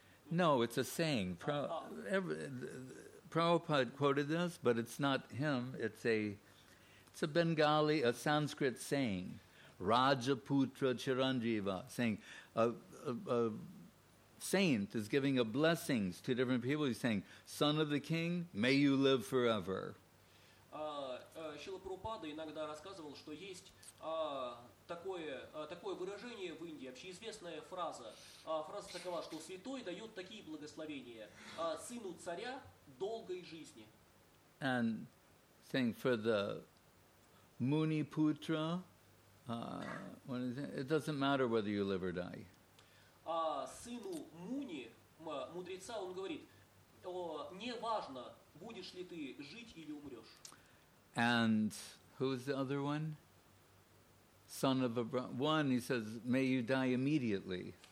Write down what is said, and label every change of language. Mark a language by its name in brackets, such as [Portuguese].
[English] No, it's a saying. Prabhupada quoted this, but it's not him, it's a Bengali, a Sanskrit saying, Rajaputra Chiranjiva, saying a saint is giving a blessing to different people. He's saying, son of the king, may you live forever. [Russian] Шрила Прабхупада иногда рассказывал, что есть такое выражение в Индии, общеизвестная фраза. Фраза такова, что святой дает такие благословения. Сыну царя долгой жизни. [English] And saying for the Muniputra, it doesn't matter whether you live or die. [Russian] Сыну Муни, мудреца, он говорит, не важно, будешь ли ты жить или умрешь. [English] And who's the other one? Son of a one, he says, may you die immediately.